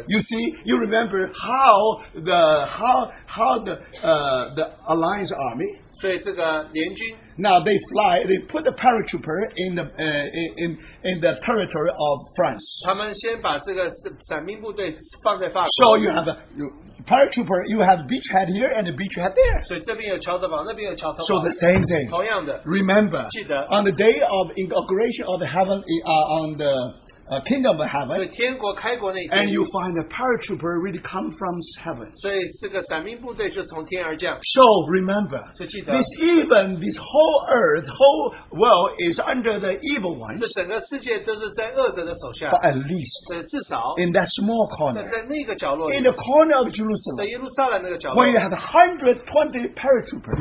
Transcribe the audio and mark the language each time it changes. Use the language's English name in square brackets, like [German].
[English] you see, you remember how the alliance army, [Chinese] 所以这个联军, [English] now they fly, they put the paratrooper in the territory of France. [Chinese] 他们先把这个闪兵部队放在法国, [English] so you have a paratrooper, you have beachhead here and a beachhead there. [Chinese] 所以这边有桥头堡, 那边有桥头堡, [English] so the same thing. [Chinese] 同样的, [English] remember, [Chinese] 记得, [English] on the day of inauguration of the heaven, on the kingdom of heaven. [Chinese] 对, 天国开国那天, [English] and you find a paratrooper really come from heaven. [Chinese] 所以这个闪兵部队是从天而降, [English] so remember, [Chinese] 所以记得, [English] this even this whole earth, whole world is under the evil ones. But at least [Chinese] 至少, [English] in that small corner, [Chinese] 在那个角落里, [English] in the corner of Jerusalem, [Chinese] 在耶路撒冷那个角落, [English] where you have 120 paratroopers,